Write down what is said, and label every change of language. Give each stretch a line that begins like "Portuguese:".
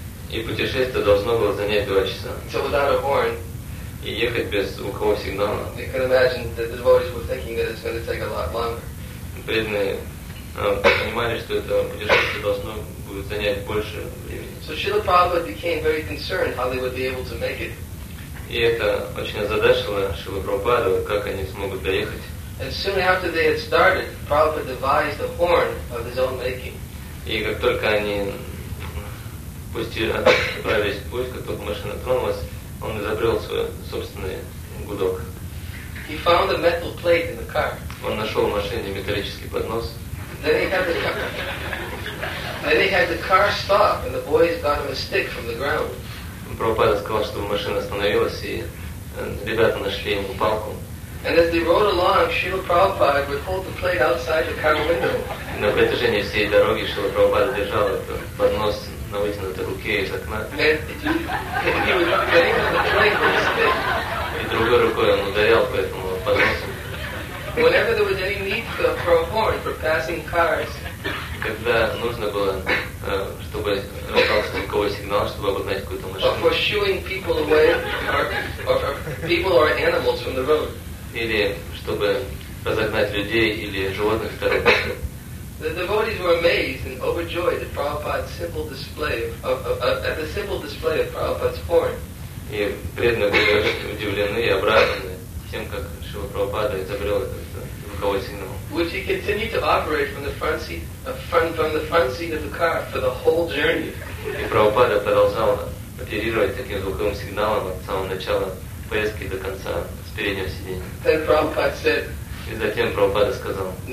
Russian: И путешествие должно было занять 2 часа.
English: So without a horn.
Russian: И ехать без звукового сигнала.
English: You can imagine that the devotees were thinking that it's going to take a lot longer.
Russian: Преданные понимали, что это путешествие должно будет занять больше времени.
English: So Srila Prabhupada became very concerned how they would be able to make it.
Russian: И это очень озадачило Шрилу Прабхупаду, как они смогут доехать.
English: And soon after they had started, Prabhupada devised a horn of his own making.
Russian: И как только они отправились в путь, как только машина тронулась, он изобрел свой собственный гудок.
English: He found a metal plate in the car.
Russian: Он нашел в машине металлический поднос.
English: Then he had the car stop, and the boys got him a stick from the ground.
Russian: Прабхупада сказал, чтобы машина остановилась, и ребята нашли ему палку.
English: And as they rode along, Srila Prabhupada would hold the plate outside the car window.
Russian: На протяжении всей дороги Шрила Прабхупада держал этот поднос на вытянутой руке из окна. И другой рукой он ударял по этому подносу.
English: Whenever there was any need for a horn for passing cars.
Russian: Когда нужно было, чтобы раздался звуковой сигнал, чтобы обогнать какую-то машину.
English: Or for shooing people away, or people or animals from the road.
Russian: Или чтобы разогнать людей или животных с дороги.
English: The devotees were amazed and overjoyed at Prabhupada's simple display at the simple display of Prabhupada's horn.
Russian: И преданные были удивлены и обрадованы тем, как Шрила Прабхупада изобрел этот звуковой сигнал.
English: Which he continued to operate from the front seat of the car for the whole journey.
Russian: И Прабхупада продолжал оперировать таким звуковым сигналом от самого начала поездки до конца с переднего сиденья.
English: Then Prabhupada said.
Russian: И затем Прабхупада сказал.